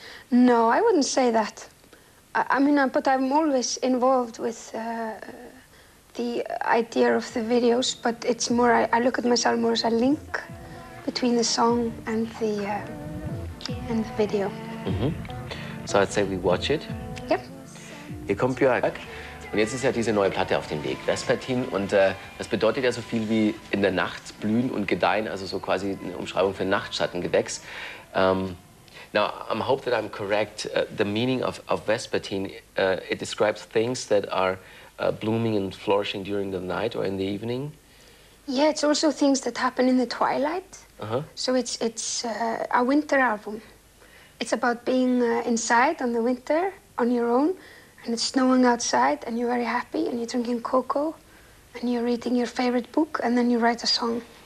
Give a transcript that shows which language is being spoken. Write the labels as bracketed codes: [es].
[en] No, I wouldn't say that. But I'm always involved with the idea of the videos, but it's more, I look at myself more as a link between the song and the video. Mm-hmm. So I'd say we watch it. Ja. [de] Hier kommt Björk. Und jetzt ist ja diese neue Platte auf dem Weg, Vespertine. Und das bedeutet ja so viel wie in der Nacht blühen und gedeihen, also so quasi eine Umschreibung für Nachtschattengewächs. [en] Now, I hope that I'm correct. The meaning of Vespertine, it describes things that are blooming and flourishing during the night or in the evening. Yeah, it's also things that happen in the twilight. Uh-huh. So it's a winter album. It's about being inside in the winter on your own, and it's snowing outside, and you're very happy, and you're drinking cocoa, and you're reading your favorite book, and then you write a song.